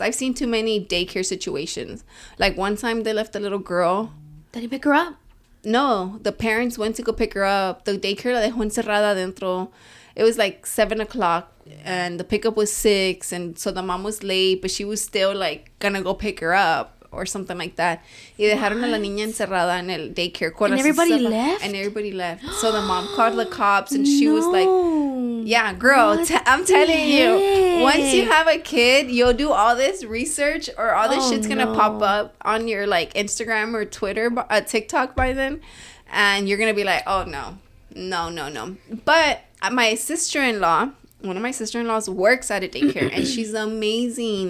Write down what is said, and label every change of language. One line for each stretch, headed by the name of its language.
English: I've seen too many daycare situations. Like, one time they left a little girl. Did he pick her up? No, the parents went to go pick her up. The daycare
Spanish: la dejó encerrada adentro.
English: It was like 7 o'clock and the pickup was 6. And so the mom was late, but she was still like going to go pick her up. Or something like that.
Spanish: Y dejaron a la niña encerrada en el daycare.
English: And everybody left? And everybody left. So the mom called the cops and she was like, yeah, girl, I'm telling you, once you have a kid, you'll do all this research or all this shit's gonna pop up on your like Instagram or Twitter, TikTok by then. And you're gonna be like, oh no, no, no, no. But my sister-in-law, one of my sister-in-laws works at a daycare and she's amazing.